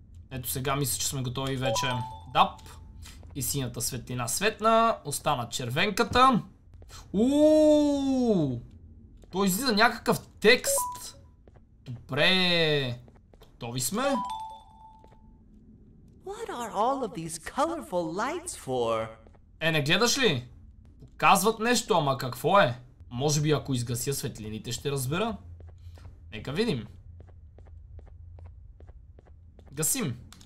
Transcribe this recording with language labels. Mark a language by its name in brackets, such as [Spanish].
[Bulgarian] Ето сега мисля, че сме готови вече. Дап! И синята светлина светна. Остана червенката. Ууу! Той излиза някакъв текст. Добре. Готови сме. [English] What are all of these colorful lights for? [Bulgarian] Е, не гледаш ли? Показват нещо, ама какво е? Може би ако изгася светлините ще разбера. Нека видим. Гасим.